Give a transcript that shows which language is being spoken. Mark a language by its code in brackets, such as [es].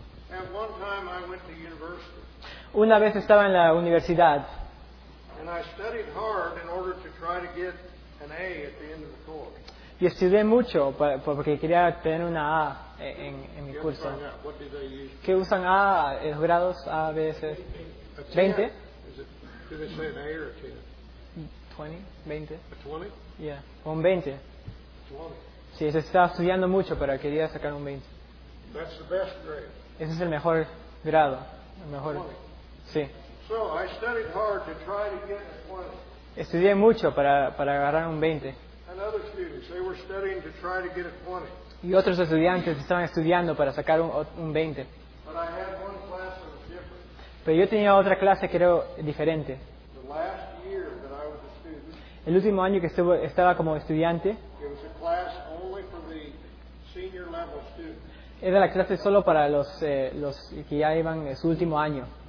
[en] At one time I went to university. [es] Una vez estaba en la universidad. [en] And I studied hard in order to try to get an A at the end of the course. [es] Y estudié mucho porque quería tener una A en mi curso. [en] What do they use? [es] ¿Qué usan A, los grados A, B, C? A 20? [en] Do they say an A or a 10? 20? 20? A 20? [es] Yeah, un 20. 20. Sí, se estaba estudiando mucho, pero quería sacar un 20. [en] That's the best grade. [es] Ese es el mejor grado, el mejor. Sí. [en] So I studied hard to try to get a 20. [es] Estudié mucho para agarrar un 20. [en] And other students, they were studying to try to get a 20. [es] Y otros estudiantes estaban estudiando para sacar un 20. [en] But I had one class that was different. [es] Pero yo tenía otra clase que era diferente. [en] The last year that I was a student, [es] el último año que estaba como estudiante. [en] It was a class only for the senior level students. [es] Era la clase solo para los que ya iban en su último año.